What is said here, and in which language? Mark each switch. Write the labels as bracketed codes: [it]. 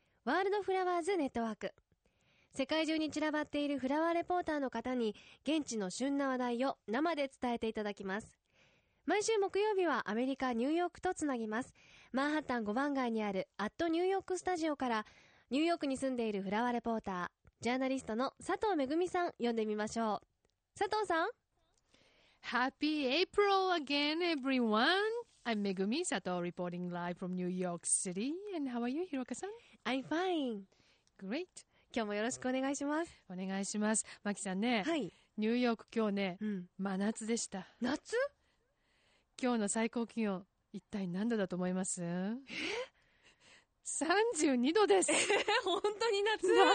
[ja] ワールドフラワーズネットワーク。世界中に散らばっているフラワーレポーターの方に現地の旬な話題を生で伝えていただきます。毎週木曜日はアメリカ・ニューヨークとつなぎます。マンハッタン5番街にあるアットニューヨークスタジオからニューヨークに住んでいるフラワーレポータージャーナリストの佐藤めぐみさん呼んでみましょう。佐藤さん、 [en] Happy April again, everyone. I'm Megumi Sato, reporting live from New York City. And how are you, Hiroka-san? I'm fine. Great. [ja] 今日もよろしくお願いします。お願いします。マキさんね。はい。ニューヨーク今日ね、真夏でした。夏？今日の最高気温、一体何度だと思います？え？ 32度です。本当に夏？